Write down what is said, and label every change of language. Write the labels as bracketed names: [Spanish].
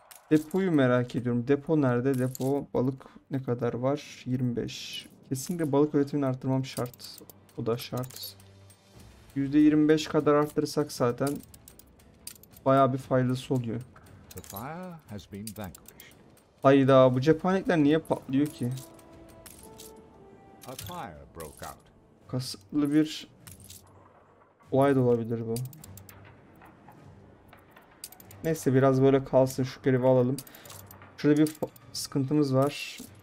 [Turkish] Depoyu merak ediyorum. Depo nerede? Depo balık ne kadar var? 25. Kesinlikle balık üretimini arttırmam şart. O da şart. %25 kadar arttırırsak zaten bayağı bir faydası oluyor. [English] The fire has been vanquished. [Turkish] Hayda, bu cephanelikler niye patlıyor ki? [English] A fire broke out. [Turkish] Kasıtlı bir olay da olabilir bu. Neyse biraz böyle kalsın, şu görevi alalım. Şurada bir sıkıntımız var.